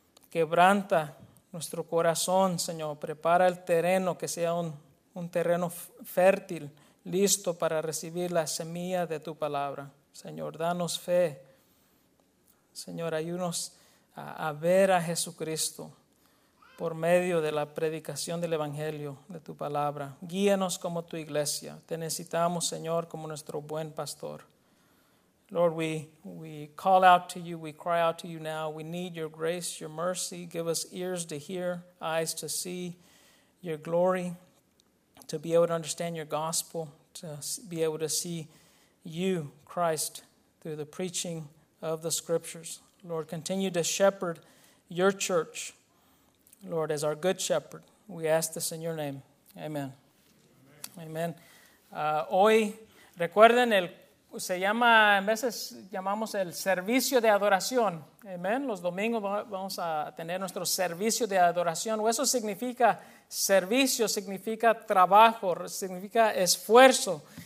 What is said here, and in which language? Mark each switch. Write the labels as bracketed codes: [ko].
[es] Quebranta nuestro corazón, Señor. Prepara el terreno, que sea un terreno fértil, listo para recibir la semilla de tu palabra. Señor, danos fe. Señor, ayúdanos a ver a Jesucristo por medio de la predicación del Evangelio de tu palabra. Guíanos como tu iglesia. Te necesitamos, Señor, como nuestro buen pastor. [en] Lord, we call out to you. We cry out to you now. We need your grace, your mercy. Give us ears to hear, eyes to see your glory, to be able to understand your gospel, to be able to see you, Christ, through the preaching of the scriptures. Lord, continue to shepherd your church, Lord, as our good shepherd. We ask this in your name. Amen. Amen. [es] Hoy, recuerden, en veces llamamos el servicio de adoración. Amen. Los domingos vamos a tener nuestro servicio de adoración. O eso significa servicio, significa trabajo, significa esfuerzo.